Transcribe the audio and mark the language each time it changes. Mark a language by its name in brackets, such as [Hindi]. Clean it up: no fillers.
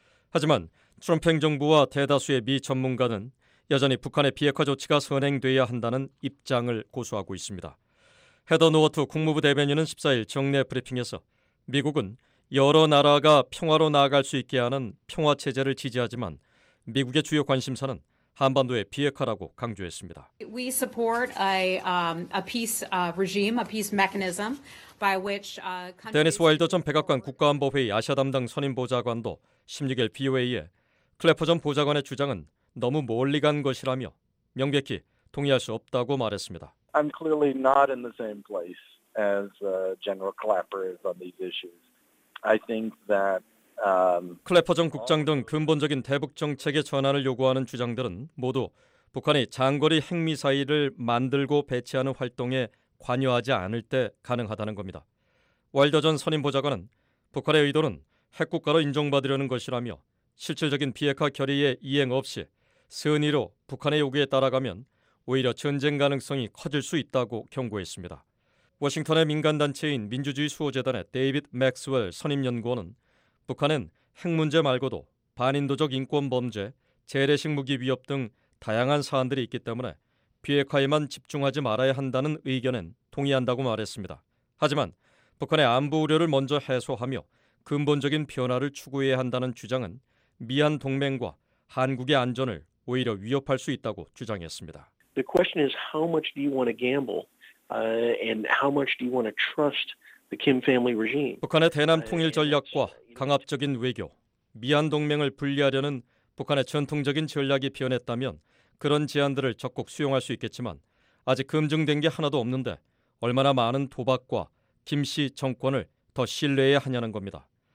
[Korean] 하지만 트럼프 행정부와 대다수의 미 전문가는 여전히 북한의 비핵화 조치가 선행돼야 한다는 입장을 고수하고 있습니다. 헤더 노어트 국무부 대변인은 14일 정례 브리핑에서 미국은 여러 나라가 평화로 나아갈 수 있게 하는 평화체제를 지지하지만 미국의 주요 관심사는 한반도의 비핵화라고 강조했습니다. [English] We support a peace regime, a peace mechanism by which [Korean] 데니스 와일더 전 백악관 국가안보회의 아시아 담당 선임 보좌관도 16일 VOA에 클래퍼 전 보좌관의 주장은 너무 멀리 간 것이라며 명백히 동의할 수 없다고 말했습니다. [English] I'm clearly not in the same place as General Clapper is on these issues. I think that [Korean] 클래퍼 전 국장 등 근본적인 대북 정책의 전환을 요구하는 주장들은 모두 북한이 장거리 핵미사일을 만들고 배치하는 활동에 관여하지 않을 때 가능하다는 겁니다. 와일더 전 선임 보좌관은 북한의 의도는 핵국가로 인정받으려는 것이라며 실질적인 비핵화 결의의 이행 없이 선의로 북한의 요구에 따라가면 오히려 전쟁 가능성이 커질 수 있다고 경고했습니다. 워싱턴의 민간단체인 민주주의 수호재단의 데이빗 맥스웰 선임연구원은 북한은 핵 문제 말고도 반인도적 인권 범죄, 재래식 무기 위협 등 다양한 사안들이 있기 때문에 비핵화에만 집중하지 말아야 한다는 의견엔 동의한다고 말했습니다. 하지만 북한의 안보 우려를 먼저 해소하며 근본적인 변화를 추구해야 한다는 주장은 미한 동맹과 한국의 안전을 오히려 위협할 수 있다고 주장했습니다. [English] The question is how much do you want to gamble and how much do you want to trust the Kim family regime? [Korean] 북한의 대남 통일 전략과 강압적인 외교, 미한 동맹을 분리하려는 북한의 전통적인 전략이 변했다면 그런 제안들을 적극 수용할 수 있겠지만 아직 검증된 게 하나도 없는데 얼마나 많은 도박과 김 씨 정권을 더 신뢰해야 하냐는 겁니다.